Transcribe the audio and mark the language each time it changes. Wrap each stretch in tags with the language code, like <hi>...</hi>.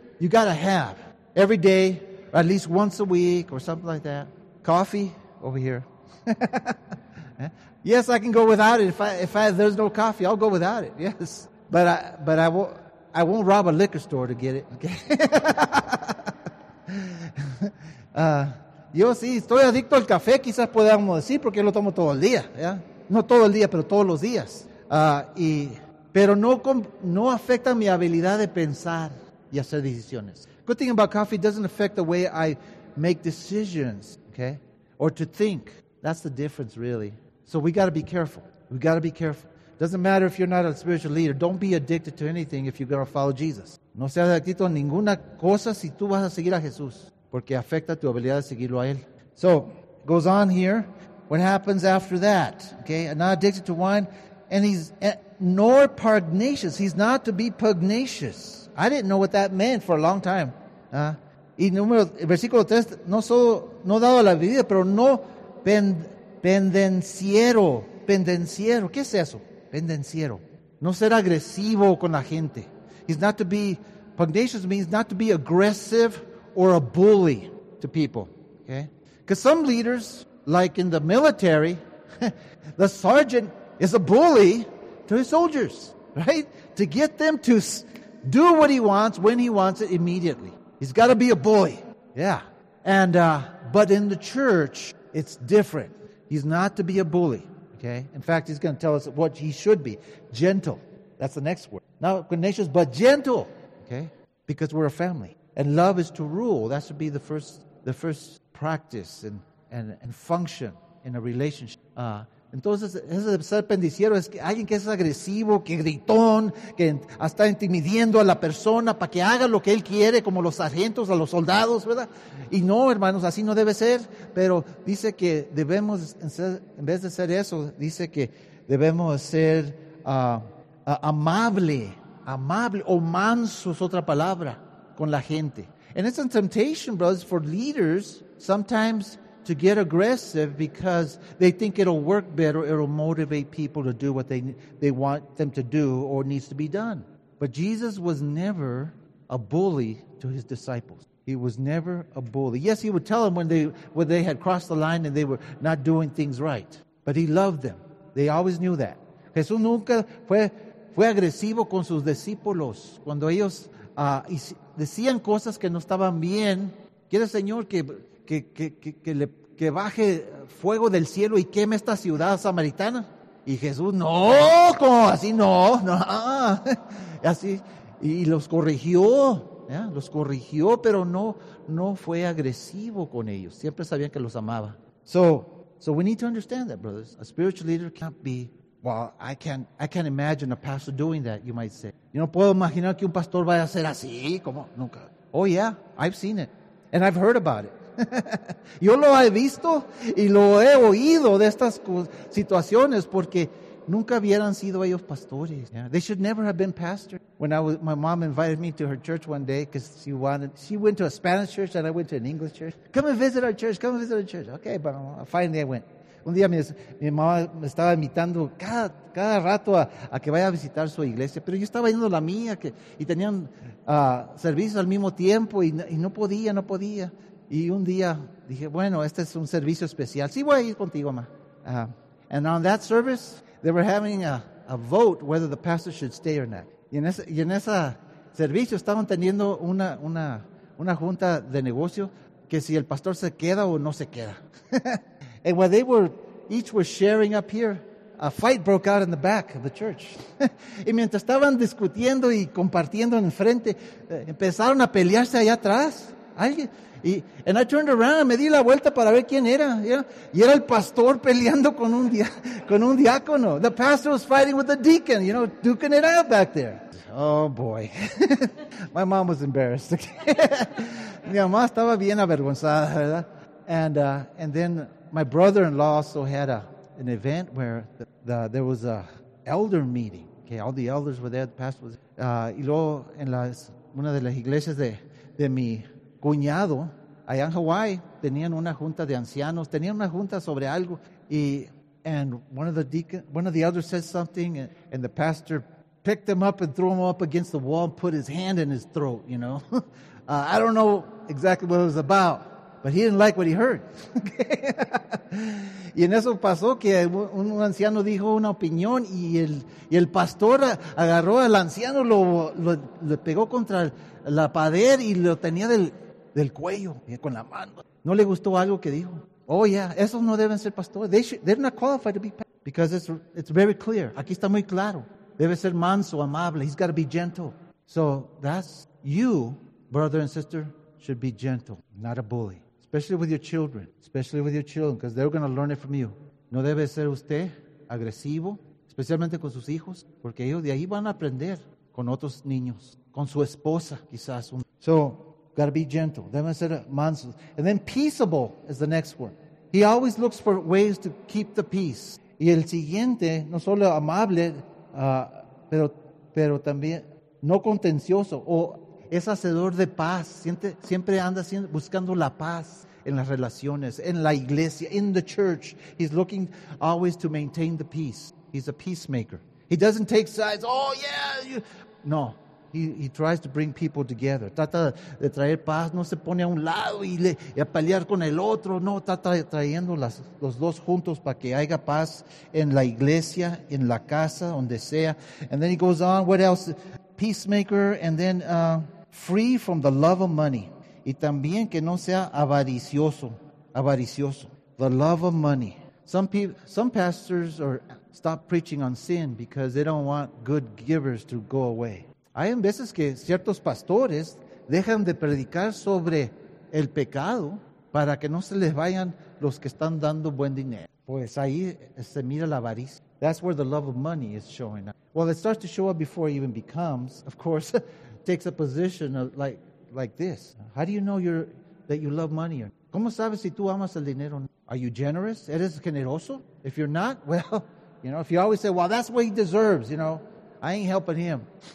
<en>You got to have every day, or at least once a week or something like that. Coffee over here. Yes, I can go without it. If there's no coffee, I'll go without it. Yes. But I won't rob a liquor store to get it. Okay.</en> <es>yo sí estoy adicto al café, quizás podamos decir porque yo lo tomo todo el día, ¿ya?</es> <en>Yeah?</en> <es>No todo el día, pero todos los días. Pero no afecta mi habilidad de pensar. Y hacer decisiones.</es> <en>Good thing about coffee, it doesn't affect the way I make decisions, okay? Or to think. That's the difference, really. So we got to be careful. We got to be careful. Doesn't matter if you're not a spiritual leader. Don't be addicted to anything if you're going to follow Jesus.</en> <es>No seas adicto a ninguna cosa si tú vas a seguir a Jesús.</es> <en>Porque afecta tu habilidad de seguirlo a Él. So, goes on here. What happens after that? Okay, I'm not addicted to wine. And he's nor pugnacious. He's not to be pugnacious. I didn't know what that meant for a long time.</en> <es>Y número, versículo 3, no solo, no dado a la bebida, pero no pendenciero. Pendenciero, ¿qué es eso? Pendenciero. No ser agresivo con la gente.</es> <en>He's not to be, pugnacious means not to be aggressive or a bully to people. Okay? Because some leaders, like in the military, the sergeant is a bully to his soldiers, right? To get them to do what he wants when he wants it immediately. He's got to be a bully. Yeah. And but in the church, it's different. He's not to be a bully, okay? In fact, he's going to tell us what he should be. Gentle. That's the next word. Not Ignatius, but gentle, okay? Because we're a family. And love is to rule. That should be the first practice and function in a relationship.</en> <es>Entonces, eso de ser pendiciero es que alguien que es agresivo, que gritón, que está intimidando a la persona para que haga lo que él quiere, como los sargentos, a los soldados, ¿verdad? Y no, hermanos, así no debe ser. Pero dice que debemos, en vez de ser eso, dice que debemos ser amable o manso, es otra palabra, con la gente.</es> <en>And it's a temptation, brothers, for leaders, sometimes, to get aggressive because they think it'll work better, it'll motivate people to do what they want them to do or needs to be done. But Jesus was never a bully to his disciples. He was never a bully. Yes, he would tell them when they had crossed the line and they were not doing things right. But he loved them. They always knew that.</en> <es>Jesús nunca fue agresivo con sus discípulos cuando ellos decían cosas que no estaban bien. Quiere Señor que baje fuego del cielo y queme esta ciudad samaritana. Y Jesús, no, ¿cómo así? No, no. Así, y los corrigió, ¿ya? Los corrigió, pero no fue agresivo con ellos. Siempre sabían que los amaba.</es> <en>So we need to understand that, brothers. A spiritual leader can't be, well, I can't imagine a pastor doing that, you might say.</en> <es>Yo no puedo imaginar que un pastor vaya a ser así, como nunca.</es> <en>Oh, yeah, I've seen it, and I've heard about it.</en> <es>Yo lo he visto y lo he oído de estas situaciones porque nunca hubieran sido ellos pastores.</es> <en>Yeah. They should never have been pastors. When my mom invited me to her church one day because she went to a Spanish church and I went to an English church. Come and visit our church, come and visit our church. Okay, but finally I went.</en> <es>Un día mi mamá me estaba invitando cada rato a que vaya a visitar su iglesia, pero yo estaba yendo a la mía y tenían servicios al mismo tiempo y no podía. Y un día dije, bueno, este es un servicio especial. Sí, voy a ir contigo, ma.</es> <en>And on that service, they were having a vote whether the pastor should stay or not.</en> <es>Y en ese servicio estaban teniendo una junta de negocio que si el pastor se queda o no se queda.</es> <en>And while they were, each was sharing up here, a fight broke out in the back of the church.</en> <es>Y mientras estaban discutiendo y compartiendo en frente, empezaron a pelearse allá atrás.</es> <en>And I turned around,</en> <es>me di la vuelta para ver quién era,</es> <en>you know?</en> <es>Y era el pastor peleando con un diácono.</es> <en>The pastor was fighting with the deacon, you know, duking it out back there. Oh boy. My mom was embarrassed.</en> <es>Mi mamá estaba bien avergonzada, ¿verdad?</es> <en>And then my brother-in-law also had an event where there was a elder meeting. Okay, all the elders were there, the pastor was</en> <es>y luego en una de las iglesias de mi cuñado, allá en Hawaii, tenían una junta de ancianos, tenían una junta sobre algo,</es> <en>and one of the deacons, one of the elders said something, and the pastor picked him up and threw him up against the wall and put his hand in his throat, you know. I don't know exactly what it was about, but he didn't like what he heard.</en> <es>Y en eso pasó que un anciano dijo una opinión, y el pastor agarró al anciano, lo pegó contra la pared, y lo tenía del cuello, con la mano. No le gustó algo que dijo. Oh, yeah, esos no deben ser pastores.</es> <en>They're not qualified to be pastors. Because it's very clear.</en> <es>Aquí está muy claro. Debe ser manso, amable.</es> <en>He's got to be gentle. So that's you, brother and sister, should be gentle, not a bully. Especially with your children, because they're going to learn it from you.</en> <es>No debe ser usted agresivo, especialmente con sus hijos, porque ellos de ahí van a aprender con otros niños, con su esposa, quizás.</es> <en>So, got to be gentle.</en> <es>Deben ser mansos.</es> <en>And then peaceable is the next one. He always looks for ways to keep the peace.</en> <es>Y el siguiente, no solo amable, pero también no contencioso, o es hacedor de paz. Siempre anda buscando la paz en las relaciones, en la iglesia,</es> <en>in the church. He's looking always to maintain the peace. He's a peacemaker. He doesn't take sides. Oh, yeah. No. he tries to bring people together.</en> <es>Trata de traer paz, no se pone a un lado y a pelear con el otro. No, trata de trayendo los dos juntos para que haya paz en la iglesia, en la casa, donde sea.</es> <en>And then he goes on, what else? Peacemaker, and then free from the love of money.</en> <es>Y también que no sea avaricioso, avaricioso.</es> <en>The love of money. Some pastors are stop preaching on sin because they don't want good givers to go away.</en> <es>Hay veces que ciertos pastores dejan de predicar sobre el pecado para que no se les vayan los que están dando buen dinero. Pues ahí se mira la avaricia.</es> <en>That's where the love of money is showing up. Well, it starts to show up before it even becomes, of course, takes a position of like this. How do you know that you love money?</en> <es>¿Cómo sabes si tú amas el dinero?</es> <en>Are you generous?</en> <es>¿Eres generoso?</es> <en>If you're not, well, you know, if you always say, well, that's what he deserves, you know, I ain't helping him.</en>